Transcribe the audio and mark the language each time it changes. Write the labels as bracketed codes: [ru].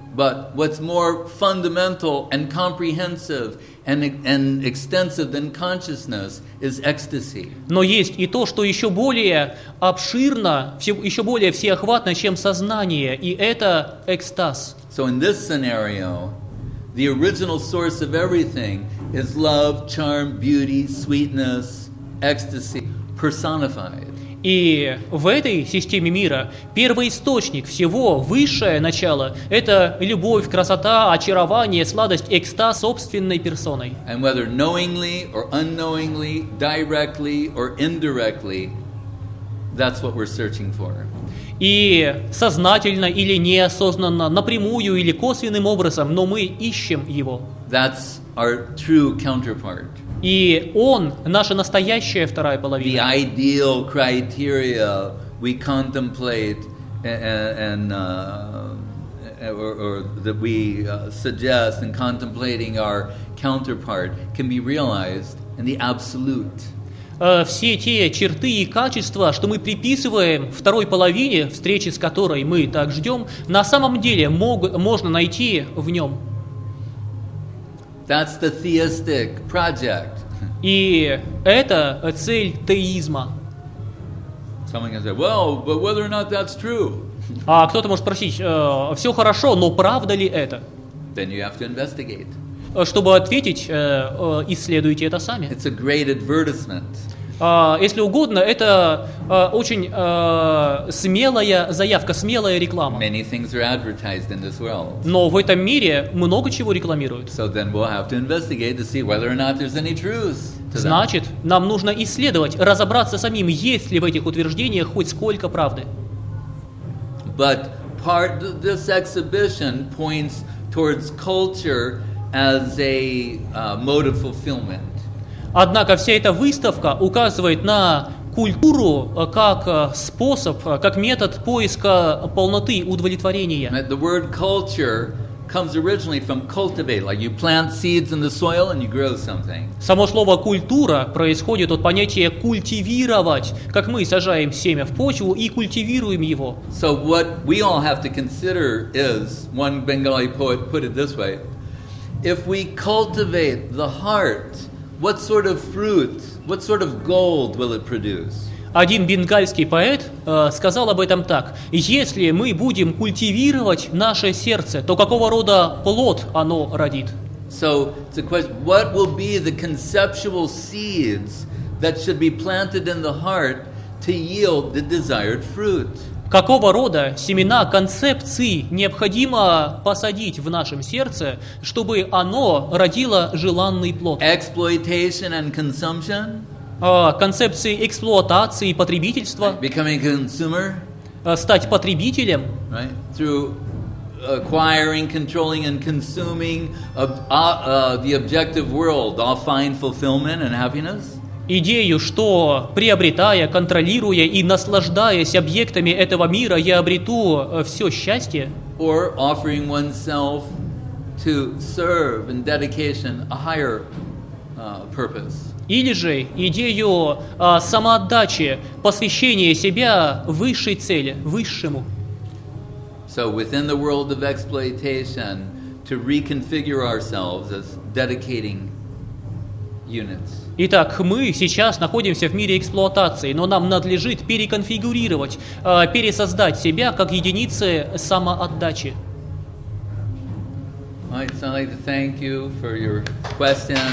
[en] But what's more fundamental and comprehensive and extensive than consciousness is ecstasy. [ru] Но есть и то, что еще более обширно, еще более всеохватно, чем сознание, и это экстаз. [en] So in this scenario, the original source of everything is love, charm, beauty, sweetness, ecstasy personified. [ru] И в этой системе мира первоисточник всего, высшее начало — это любовь, красота, очарование, сладость, экстаз собственной персоной. [en] And whether knowingly or unknowingly, directly or indirectly, that's what we're searching for. [ru] И сознательно или неосознанно, напрямую или косвенным образом, но мы ищем его. [en] That's our true counterpart. [ru] И он — наша настоящая вторая половина. [en] The ideal criteria we contemplate or that we suggest in contemplating our counterpart can be realized in the absolute. [ru] Все те черты и качества, что мы приписываем второй половине, встречи с которой мы так ждем, на самом деле можно найти в нем. [en] That's the theistic project. [ru] И это цель теизма. [en] Someone can say, well, but whether or not that's true. [ru] А кто-то может спросить, все хорошо, но правда ли это? [en] Then you have to investigate. [ru] Чтобы ответить, исследуйте это сами. [en] It's a great advertisement. [ru] Если угодно, это очень смелая заявка, смелая реклама. [en] Many things are advertised in this world. [ru] Но в этом мире много чего рекламируют. [en] So then we'll have to investigate to see whether or not there's any truth. [ru] Значит, нам нужно исследовать, разобраться самим, есть ли в этих утверждениях хоть сколько правды. [en] But part of this exhibition points towards culture as a mode of fulfillment. [ru] Однако вся эта выставка указывает на культуру как способ, как метод поиска полноты, удовлетворения. [en] The word culture comes originally from cultivate, like you plant seeds in the soil and you grow something. [ru] Само слово культура происходит от понятия культивировать, как мы сажаем семя в почву и культивируем его. [en] So what we all have to consider is, one Bengali poet put it this way, if we cultivate the heart, what sort of fruit, what sort of gold will it produce? [ru] Один бенгальский поэт сказал об этом так: если мы будем культивировать наше сердце, то какого рода плод оно родит? [en] So, it's a question, what will be the conceptual seeds that should be planted in the heart to yield the desired fruit? [ru] Какого рода семена концепции необходимо посадить в нашем сердце, чтобы оно родило желанный плод? [en] Exploitation and consumption? [ru] Концепции эксплуатации и потребительства, [en] becoming a consumer, [ru] стать потребителем, [en] right? Through acquiring, controlling and consuming the objective world, I'll find fulfillment and happiness. [ru] Идею, что приобретая, контролируя и наслаждаясь объектами этого мира, я обрету все счастье. [en] Or offering oneself to serve in dedication a higher purpose. [ru] Или же идею самоотдачи, посвящения себя высшей цели, высшему. [en] So within the world of exploitation, to reconfigure ourselves as dedicating units. [ru] Итак, мы сейчас находимся в мире эксплуатации, но нам надлежит переконфигурировать, пересоздать себя как единицы самоотдачи. [en] Alright, so I'd like to thank you for your question.